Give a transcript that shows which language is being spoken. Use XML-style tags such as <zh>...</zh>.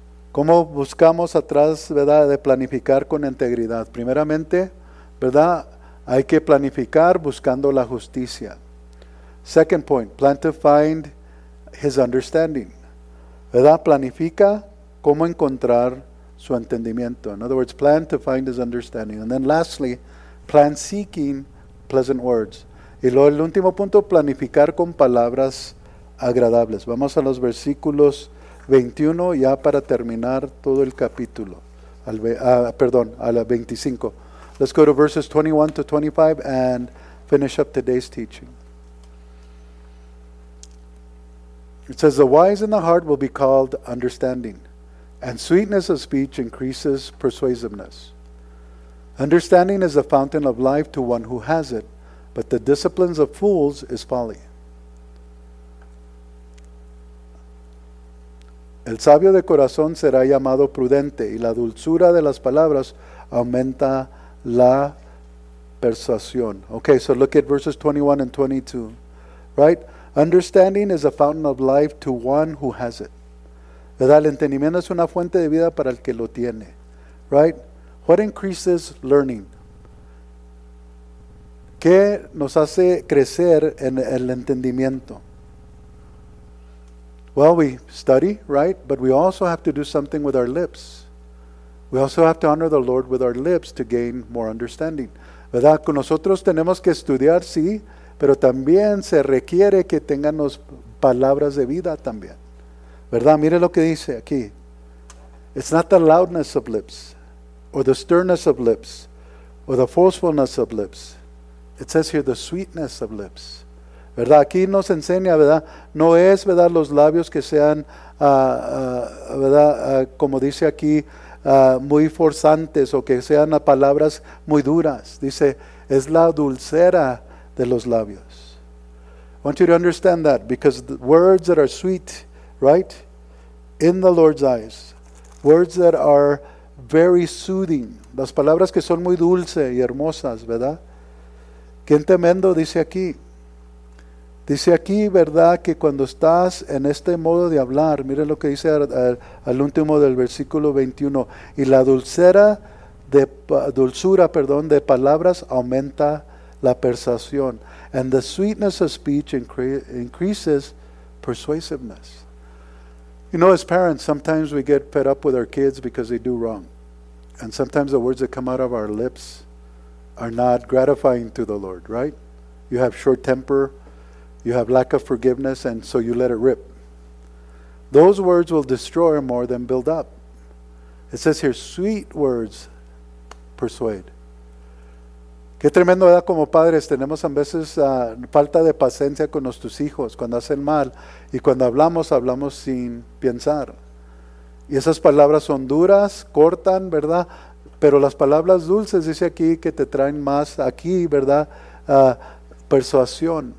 <es>¿Cómo buscamos atrás, verdad, de planificar con integridad? Primeramente, verdad, hay que planificar buscando la justicia.</es> <en>Second point, plan to find his understanding.</en> <es>¿Verdad? Planifica cómo encontrar su entendimiento.</es> <en>In other words, plan to find his understanding. And then lastly, plan seeking pleasant words.</en> <es>Y luego el último punto, planificar con palabras agradables. Vamos a los versículos 21 ya para terminar todo el capítulo. Al 25.</es> <en>Let's go to verses 21 to 25 and finish up today's teaching. It says, the wise in the heart will be called understanding, and sweetness of speech increases persuasiveness. Understanding is the fountain of life to one who has it, but the disciplines of fools is folly.</en> <es>El sabio de corazón será llamado prudente, y la dulzura de las palabras aumenta la persuasión.</es> <en>Okay, so look at verses 21 and 22. Right? Understanding is a fountain of life to one who has it.</en> <es>¿Verdad? El entendimiento es una fuente de vida para el que lo tiene.</es> <en>Right? What increases learning?</en> <es>¿Qué nos hace crecer en el entendimiento?</es> <en>Well, we study, right? But we also have to do something with our lips. We also have to honor the Lord with our lips to gain more understanding.</en> <es>¿Verdad? Con nosotros tenemos que estudiar, sí, pero también se requiere que tengamos palabras de vida también. ¿Verdad? Mire lo que dice aquí.</es> <en>It's not the loudness of lips, or the sternness of lips, or the forcefulness of lips. It says here, the sweetness of lips.</en> <es>¿Verdad? Aquí nos enseña, ¿verdad? No es, ¿verdad?, los labios que sean, ¿verdad?, como dice aquí, muy forzantes o que sean palabras muy duras. Dice, es la dulzura de los labios.</es> <en>I want you to understand that, because the words that are sweet, right, in the Lord's eyes, words that are very soothing.</en> <es>Las palabras que son muy dulces y hermosas, ¿verdad? Qué tremendo dice aquí. Dice aquí, ¿verdad?, que cuando estás en este modo de hablar, miren lo que dice al último del versículo 21, y la dulzura de palabras aumenta la persuasión.</es> <en>And the sweetness of speech increases persuasiveness. You know, as parents, sometimes we get fed up with our kids because they do wrong. And sometimes the words that come out of our lips are not gratifying to the Lord, right? You have short temper, you have lack of forgiveness, and so you let it rip. Those words will destroy more than build up. It says here, sweet words persuade.</en> <es>Qué tremendo, ¿verdad? Como padres tenemos a veces falta de paciencia con nuestros hijos cuando hacen mal, y cuando hablamos, hablamos sin pensar. Y esas palabras son duras, cortan, ¿verdad? Pero las palabras dulces, dice aquí, que te traen más aquí, ¿verdad? Persuasión.</es>